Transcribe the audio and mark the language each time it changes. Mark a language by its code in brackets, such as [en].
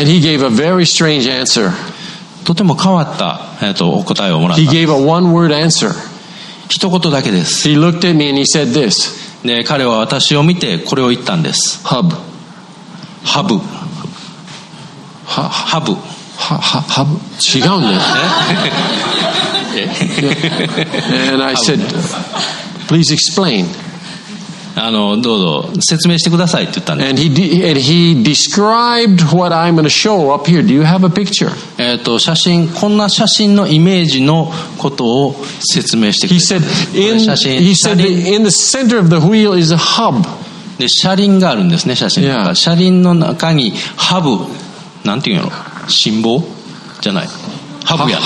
[en] And he gave a very strange answer. [ja] とても変わった、お答えをもらったんです。 [en] He gave a one-word answer. [ja] 一言だけです。 [en] He looked at me and he said this. [ja] で、彼は私を見てこれを言ったんです。 [en] Hub. Hub. [ja] Hub. Hub. 違うんですね。 [en] And I said, please explain. [ja] どうぞ説明してくださいって言ったんです。 [en] And he described what I'm going to show up here. Do you have a picture? [ja] 写真、こんな写真のイメージのことを説明してくれた。 [en] He said in the center of the wheel is a hub. [ja] で車輪があるんですね、写真。 [en] Yeah. [ja] 車輪の中にハブ、なんていうの、心棒じゃない、ハブや、